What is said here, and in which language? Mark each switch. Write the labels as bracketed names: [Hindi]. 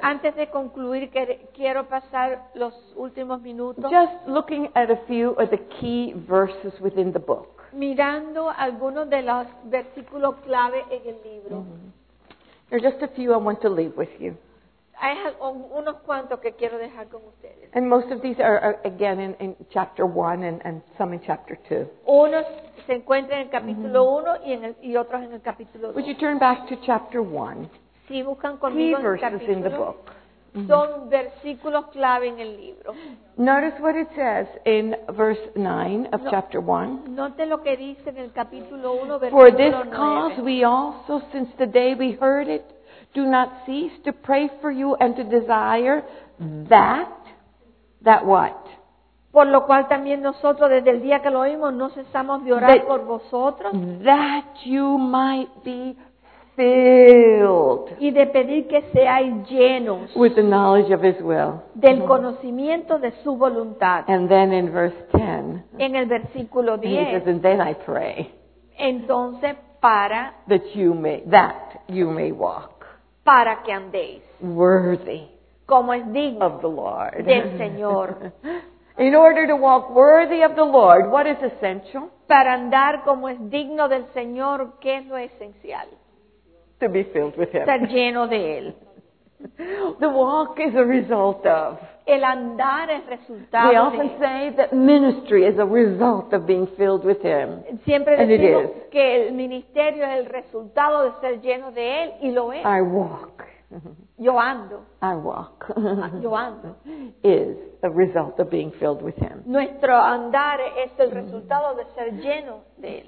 [Spanish] antes de concluir, quiero pasar los últimos minutos. [English] Just looking at a few of the key verses within the book. [Spanish] Mirando algunos de los versículos clave en el libro. Mm-hmm. [English] There are just a few I want to leave with you. [Spanish] Hay unos cuantos que quiero dejar con ustedes. [English] And most of these are again in chapter 1 and some in chapter 2. [Spanish] Unos se encuentran en el capítulo 1 mm-hmm. y otros en el capítulo 2. [English] Would you turn back to chapter 1? [Spanish] Si buscan conmigo [English] key verses [Spanish] en el capítulo, [English] in the book. [Spanish] Son versículos clave en el libro. [English] Notice what it says in verse 9 of chapter 1. [Spanish] Note lo que dice en el capítulo 1, versículo 9. [English] For this cause we also, since the day we heard it, do not cease to pray for you and to desire that what? [Spanish] Por lo cual también nosotros desde el día que lo oímos no cesamos de orar por vosotros. [English] That you might be filled. [Spanish] Y de pedir que seáis llenos. [English] With the knowledge of his will. [Spanish] Del conocimiento de su voluntad. [English] And then in verse 10. [Spanish] En el versículo 10. [English] He says, and then I pray. [Spanish] Entonces para. [English] That you may walk. [Spanish] Para que andéis. [English] Worthy. [Spanish] Como es digno. [English] Of the Lord. [Spanish] Del Señor. [English] In order to walk worthy of the Lord, what is essential? [Spanish] Para andar como es digno del Señor, ¿qué es lo esencial? [English] To be filled with Him. [Spanish] Estar lleno de Él. [English] The walk is a result of. [Spanish] El andar es resultado de. [English] We often say that ministry is a result of being filled with Him. [Spanish] Siempre decimos que el ministerio es el resultado de ser lleno de Él, y lo es. [English] I walk. [Spanish] Yo ando. [English] I walk. [Spanish] Yo ando. [English] Is a result of being filled with Him. [Spanish] Nuestro andar es el resultado de ser lleno de Él.